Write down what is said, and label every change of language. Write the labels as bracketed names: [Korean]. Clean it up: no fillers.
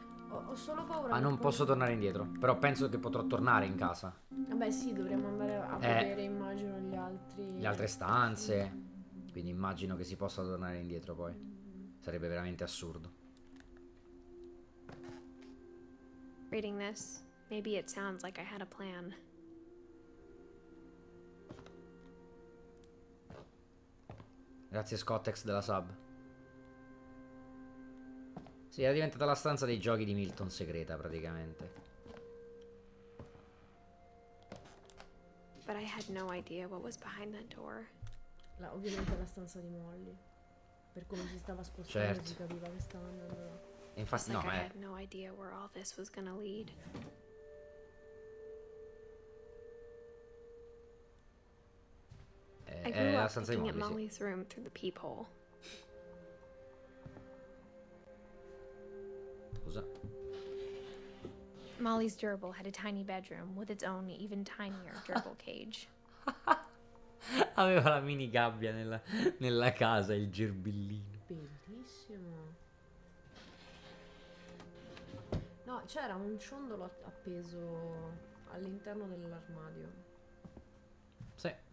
[Italian] Ho solo paura. Ah, non posso tornare indietro. Però penso che potrò tornare in casa. Vabbè, sì, dovremmo andare a vedere, immagino, gli altri. Le altre stanze. Quindi immagino che si possa tornare indietro poi. Sarebbe veramente assurdo. [English] Reading this, maybe it sounds like I had a plan. [Italian] Grazie Scottex della sub. Sì, era diventata la stanza dei giochi di Milton segreta, praticamente. [English] But I had no idea what was behind that door. [Italian] La, ovviamente la stanza di Molly. Per come si stava spostando, certo. Si capiva che stava andando. Infatti, no, [English] like I had no idea where all this was gonna lead. [Italian] È la stanza di Molly, [English] Molly's room through the peephole. [Italian] Cosa? [English] Molly's gerbil had a tiny bedroom with its own even tinier gerbil cage. [Italian] Aveva la mini gabbia nella casa, il gerbillino. Bellissimo. No, c'era un ciondolo appeso all'interno dell'armadio. Sì.